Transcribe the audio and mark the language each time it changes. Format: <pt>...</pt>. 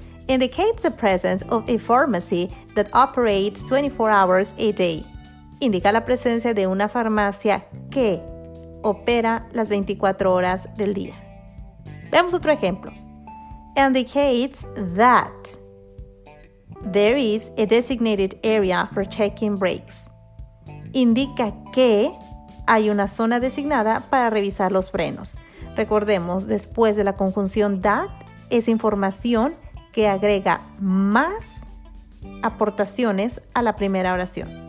<en>Indicates the presence of a pharmacy that operates 24 hours a day.</en> <es>Indica la presencia de una farmacia que opera las 24 horas del día. Veamos otro ejemplo.</es> <en>Indicates that there is a designated area for checking brakes.</en> <es>Indica que hay una zona designada para revisar los frenos. Recordemos, después de la conjunción that, es información que agrega más aportaciones a la primera oración.</es>